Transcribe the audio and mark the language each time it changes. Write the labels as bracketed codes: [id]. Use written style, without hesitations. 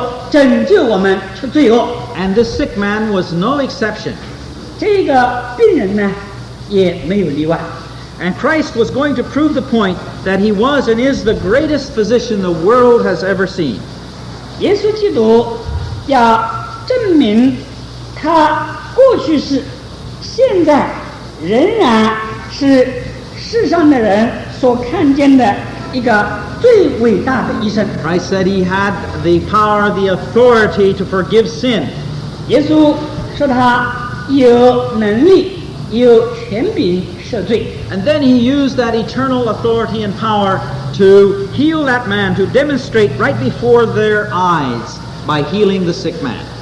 [zh] 只有耶稣不管我们犯多少罪，他能够拯救我们出罪恶。 [en] And the sick man was no exception. [zh] 这个病人呢，也没有例外。 [en] And Christ was going to prove the point that he was and is the greatest physician the world has ever seen. [zh] 耶稣基督要证明他过去是，现在仍然是世上的人所看见的一个最伟大的医生。 [en] Christ said he had the power, the authority to forgive sin. [zh] 耶稣说他有能力，有权柄赦罪。 [en] And then he used that eternal authority and power to heal that man, to demonstrate right before their eyes by healing the sick man.